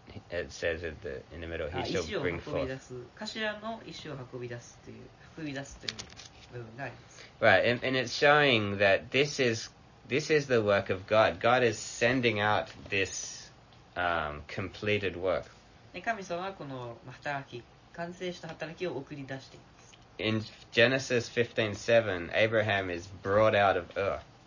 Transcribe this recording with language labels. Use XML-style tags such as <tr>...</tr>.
<en>It says in the middle, he shall bring forth.</en> <ja>頭の石を運び出すという部分があります。</ja> <en>Right, and it's showing that this is the work of God. God is sending out this completed work.</en> <ja>神様はこの働き、完成した働きを送り出しています。</ja> <en>In Genesis 15:7, Abraham is brought out of Ur.</en>